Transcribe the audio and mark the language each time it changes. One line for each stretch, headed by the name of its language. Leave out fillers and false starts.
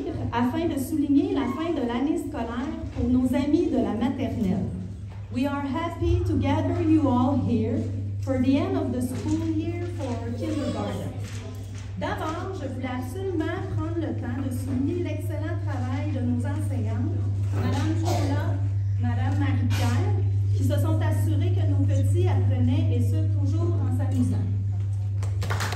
French: Afin de souligner la fin de l'année scolaire pour nos amis de la maternelle.
English: We are happy to gather you all here for the end of the school year for kindergarten.
French: D'abord, je voulais absolument prendre le temps de souligner l'excellent travail de nos enseignantes, Madame Chola, Madame Marie-Pierre, qui se sont assurées que nos petits apprenaient et ce, toujours en s'amusant.